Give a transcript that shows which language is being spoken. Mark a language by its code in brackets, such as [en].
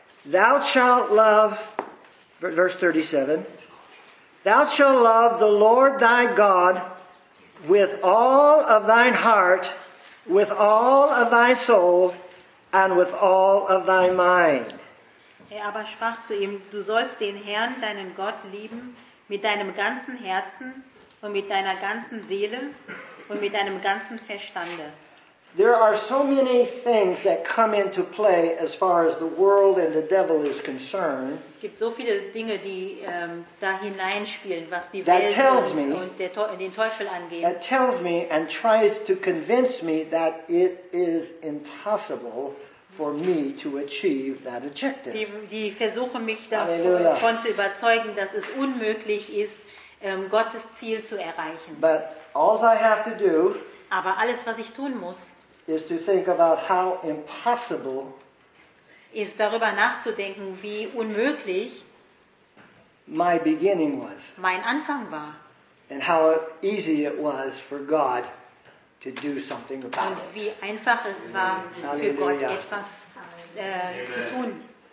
[en] thou shalt love, verse 37, thou shalt love the Lord thy God with all of thine heart, with all of thy soul, and with all of thy mind. [de] Er aber sprach zu ihm, du sollst den Herrn, deinen Gott, lieben mit deinem ganzen Herzen und mit deiner ganzen Seele und mit deinem ganzen Verstande. [en] There are so many things that come into play as far as the world and the devil is concerned. [de] Es gibt so viele Dinge, die da hineinspielen, was die Welt und den Teufel angeht. [en] That tells me and tries to convince me that it is impossible for me to achieve that objective. [de] Die versuchen mich davon zu überzeugen, dass es unmöglich ist, Gottes Ziel zu erreichen. [en] But all I have to do, [de] aber alles, was ich tun muss, [en] is to think about how impossible, [de] ist darüber nachzudenken, wie unmöglich [en] my beginning was, [de] mein Anfang war, [en] and how easy it was for God to do something about [de] und wie einfach es war, für Gott etwas zu tun.